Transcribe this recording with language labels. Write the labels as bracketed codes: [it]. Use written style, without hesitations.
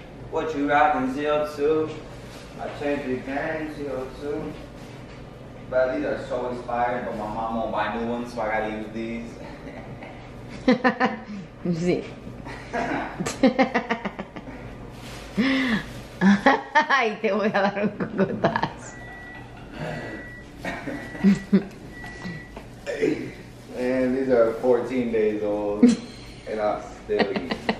[en] What you rockin' ZL2? I changed the game, ZL2. But these are so inspired, but my mom won't buy new ones, so I gotta use these. Z. [es] I Ay, te voy a dar un cocotazo. [en] And these are 14 days old, and I'm still eating.